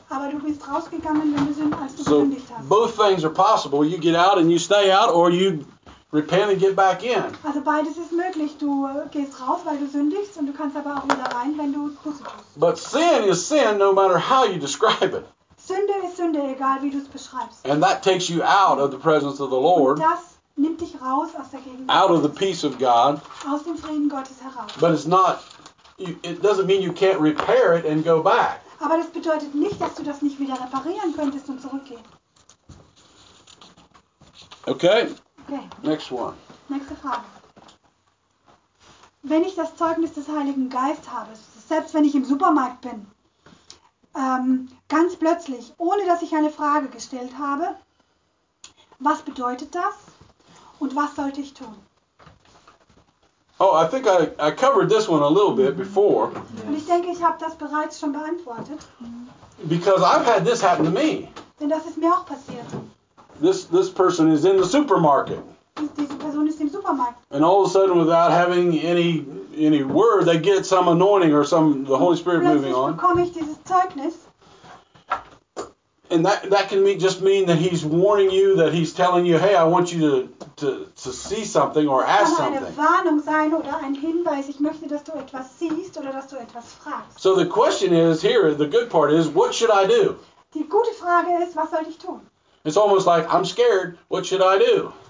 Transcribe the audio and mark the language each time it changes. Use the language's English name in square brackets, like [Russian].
[German] Aber du bist rausgegangen, wenn du sind, als du so gesündigt hast. [English] Both things are possible. You get out and you stay out, or you repent and get back in. [German] Also beides ist möglich. Du gehst raus, weil du sündigst, und du kannst aber auch wieder rein, wenn du Buße tust. [English] But sin is sin, no matter how you describe it. [German] Sünde ist Sünde, egal wie du es beschreibst. [English] And that takes you out of the presence of the Lord. [German] Und das nimmt dich raus aus der Gegenwart. [English] Out of the peace of God. [German] Aus dem Frieden Gottes heraus. [English] But it's not. It doesn't mean you can't repair it and go back. [German] Aber das bedeutet nicht, dass du das nicht wieder reparieren könntest und zurückgehen. [English] Okay. Okay. Next one. [German] Nächste Frage. Wenn ich das Zeugnis des Heiligen Geistes habe, selbst wenn ich im Supermarkt bin, ganz plötzlich, ohne dass ich eine Frage gestellt habe, was bedeutet das und was sollte ich tun? [English] Oh, I think I covered this one a little bit before. Yes. [German] Und ich denke, ich habe das bereits schon beantwortet. [English] Because I've had this happen to me. [German] Denn das ist mir auch passiert. [English] This person is in the supermarket. [German] Diese Person ist im Supermarkt. [English] And all of a sudden, without having any word, they get some anointing or some the Holy Spirit moving on. [German] Plötzlich bekomme ich dieses Zeugnis. [English] And that can just mean that he's warning you, that he's telling you, hey, I want you to see something or ask something. [German] Kann eine Warnung sein oder ein Hinweis. Ich möchte, dass du etwas siehst oder dass du etwas fragst. [English] So the question is here. The good part is, what should I do? [German] Die gute Frage ist, was soll ich tun? [English] It's almost like, I'm scared, what should I do?